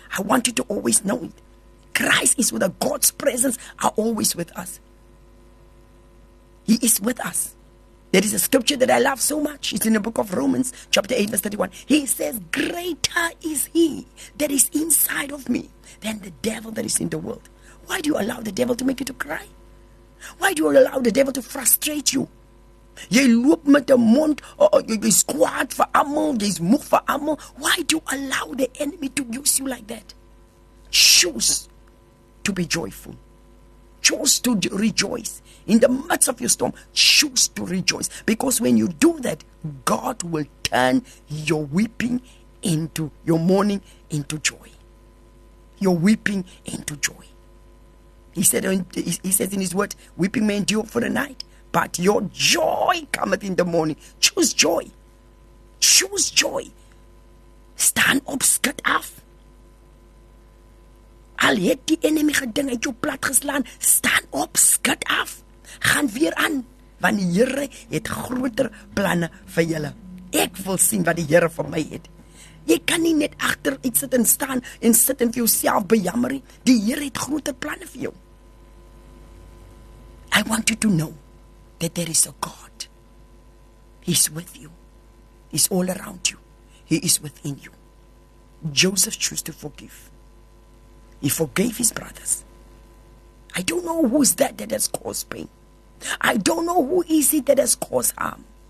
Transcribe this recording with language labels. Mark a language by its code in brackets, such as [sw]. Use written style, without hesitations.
[en] I want you to always know it. Christ is with us. God's presence are always with us. He is with us. There is a scripture that I love so much. It's in the book of Romans, chapter 8, verse 31. He says, greater is he that is inside of me than the devil that is in the world. Why do you allow the devil to make you to cry? Why do you allow the devil to frustrate you? [af] Jy loop met 'n mond, jy squat vir almal, jy's moeg vir almal. [en] Why do you allow the enemy to use you like that? Choose to be joyful. Choose to rejoice. In the midst of your storm, choose to rejoice. Because when you do that, God will turn your weeping into your mourning into joy. Your weeping into joy. He says in his word, weeping may endure for the night, but your joy cometh in the morning. Choose joy. Choose joy. Stand up, [af] skit af. Al het die enemy geding uit jou plat geslaan, [en] stand up, [af] skit af. Gaan weer aan, want die Here het groter planne vir julle. Ek wil sien wat die Here vir my het. Jy kan nie net agter iets sit en staan en sit en vir jouself bejammer. Die Here het groter planne vir jou. [en] I want you to know that there is a God. He's with you. He's all around you. He is within you. Joseph chose to forgive. He forgave his brothers. I don't know who is that has caused pain. I don't know who is it that has caused harm.